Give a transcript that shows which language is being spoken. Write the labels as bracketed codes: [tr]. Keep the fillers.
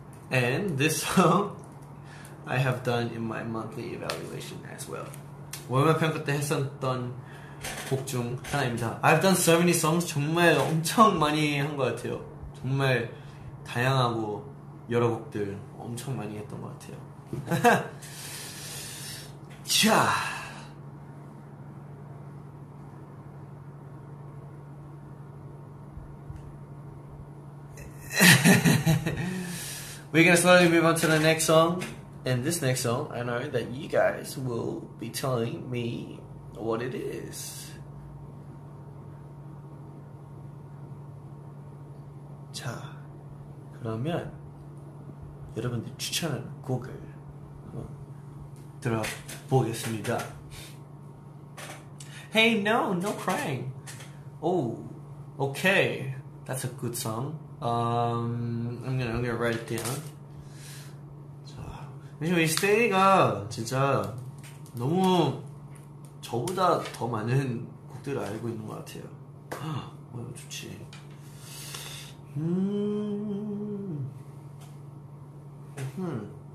[en] And this song I have done in my monthly evaluation as well. [ko] 월말평가 때 했었던 곡중 하나입니다. [en] I've done so many songs [ko] 정말 엄청 많이 한 것 같아요. 정말 다양하고 여러 곡들 엄청 많이 했던 것 같아요. [en] 자, We're gonna slowly move on to the next song. And this next song, I know that you guys will be telling me what it is. [ko] 자, 그러면 여러분들 추천하는 곡을 한번 들어보겠습니다. [en] Hey, no, no crying. Oh, okay, that's a good song. Um, I'm gonna, I'm gonna write it down. [ko] 자, 왜냐면 이 스테이가 진짜 너무 저보다 더 많은 곡들을 알고 있는 것 같아요. 어, 좋지. 음. 음.